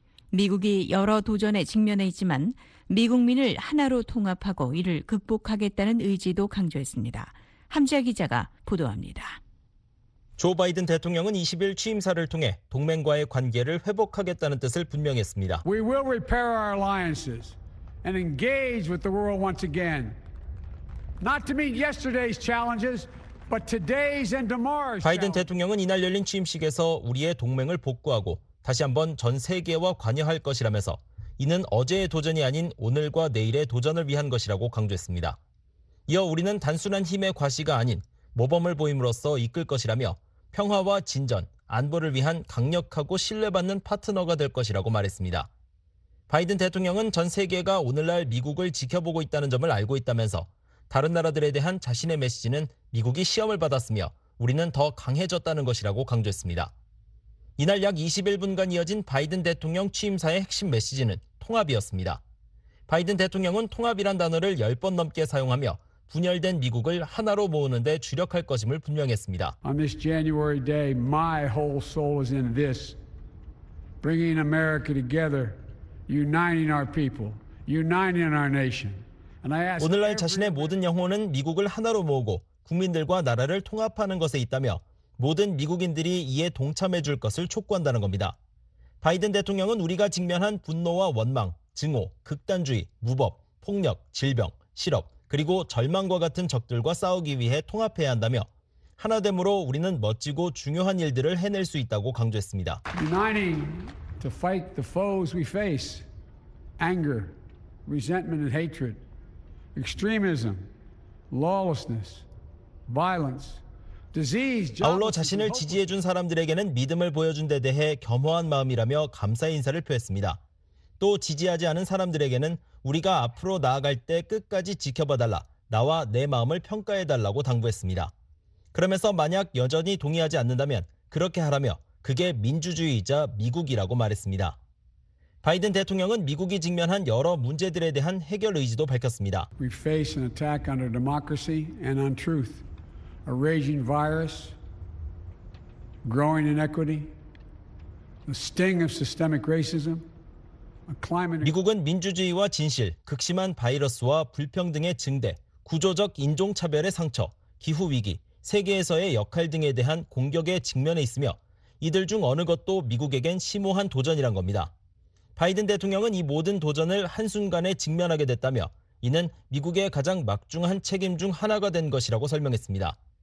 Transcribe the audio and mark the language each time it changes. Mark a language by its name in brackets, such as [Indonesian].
[Korean] 미국이 여러 도전에 직면해 있지만 미국민을 하나로 통합하고 이를 극복하겠다는 의지도 강조했습니다. 함지아 기자가 보도합니다. 조 바이든 대통령은 20일 취임사를 통해 동맹과의 관계를 회복하겠다는 뜻을 분명했습니다. [English] We will repair our alliances and engage with the world once again. Not to meet yesterday's challenges, but today's and tomorrow's. [Korean] 바이든 대통령은 이날 열린 취임식에서 우리의 동맹을 복구하고 다시 한번 전 세계와 관여할 것이라면서 이는 어제의 도전이 아닌 오늘과 내일의 도전을 위한 것이라고 강조했습니다. 이어 우리는 단순한 힘의 과시가 아닌 모범을 보임으로써 이끌 것이라며 평화와 진전, 안보를 위한 강력하고 신뢰받는 파트너가 될 것이라고 말했습니다. 바이든 대통령은 전 세계가 오늘날 미국을 지켜보고 있다는 점을 알고 있다면서 다른 나라들에 대한 자신의 메시지는 미국이 시험을 받았으며 우리는 더 강해졌다는 것이라고 강조했습니다. 이날 약 21분간 이어진 바이든 대통령 취임사의 핵심 메시지는 통합이었습니다. 바이든 대통령은 통합이란 단어를 10번 넘게 사용하며 분열된 미국을 하나로 모으는 데 주력할 것임을 분명했습니다. [English] On this January day, my whole soul is in this. Bringing America together, uniting our people, uniting our nation. And I ask [Korean] 오늘날 자신의 모든 영혼은 미국을 하나로 모으고 국민들과 나라를 통합하는 것에 있다며 모든 미국인들이 이에 동참해 줄 것을 촉구한다는 겁니다. 바이든 대통령은 우리가 직면한 분노와 원망, 증오, 극단주의, 무법, 폭력, 질병, 실업, 그리고 절망과 같은 적들과 싸우기 위해 통합해야 한다며 하나됨으로 우리는 멋지고 중요한 일들을 해낼 수 있다고 강조했습니다. [English] Uniting to fight the foes we face. Anger, resentment and hatred, extremism, lawlessness, violence, disease. [Korean] 아울러 자신을 지지해 준 사람들에게는 믿음을 보여준 데 대해 겸허한 마음이라며 감사 인사를 표했습니다. 또 지지하지 않은 사람들에게는 우리가 앞으로 나아갈 때 끝까지 지켜봐달라, 나와 내 마음을 평가해달라고 당부했습니다. 그러면서 만약 여전히 동의하지 않는다면 그렇게 하라며 그게 민주주의이자 미국이라고 말했습니다. 바이든 대통령은 미국이 직면한 여러 문제들에 대한 해결 의지도 밝혔습니다. [English] We face an attack on our democracy and on truth, a raging virus, growing inequity, the sting of systemic racism. [Korean] 미국은 민주주의와 진실, 극심한 바이러스와 불평등의 증대, 구조적 인종차별의 상처, 기후위기, 세계에서의 역할 등에 대한 공격에 직면해 있으며 이들 중 어느 것도 미국에겐 심오한 도전이란 겁니다. 바이든 대통령은 이 모든 도전을 한순간에 직면하게 됐다며 이는 미국의 가장 막중한 책임 중 하나가 된 것이라고 설명했습니다.